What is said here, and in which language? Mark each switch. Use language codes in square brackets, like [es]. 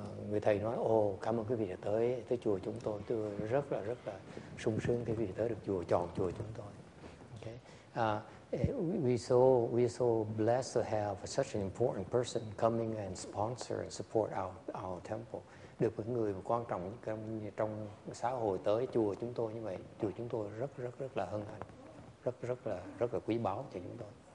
[vi] Người thầy nói, oh, cảm ơn quý vị đã tới chùa chúng tôi. Tôi rất là sung sướng khi quý vị tới được chùa, chọn chùa chúng tôi. Okay. [en] We're so blessed to have such an important person coming and sponsor and support our temple. [vi] Được những người quan trọng trong xã hội tới chùa chúng tôi như vậy, chùa chúng tôi rất là hân hạnh, rất là quý báu cho chúng tôi.